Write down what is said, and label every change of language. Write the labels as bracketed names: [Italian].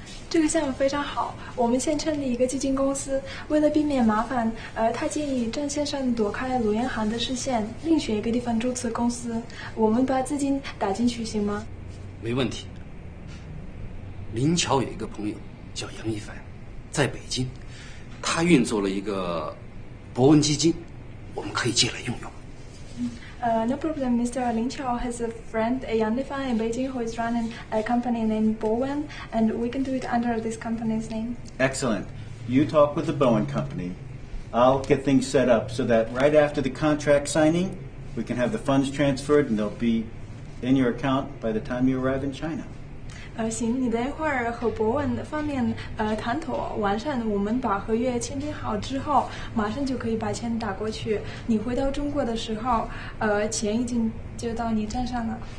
[Chinese] 这个项目非常好，我们现成立一个基金公司，为了避免麻烦，他建议郑先生躲开卢彦航的视线，另选一个地方注册公司。我们把资金打进去行吗？没问题。林桥有一个朋友叫杨一凡，在北京，他运作了一个博文基金，我们可以借来用用。 [English] No problem, Mr. Lin Qiao has a friend, Yang Lifan in Beijing, who is running a company named Bowen, and we can do it under this company's name. Excellent. You talk with the Bowen company. I'll get things set up so that right after the contract signing, we can have the funds transferred and they'll be in your account by the time you arrive in China. [Chinese] 行，你等一会儿和博文方面谈妥完善，我们把合约签订好之后，马上就可以把钱打过去。你回到中国的时候，钱已经就到你账上了。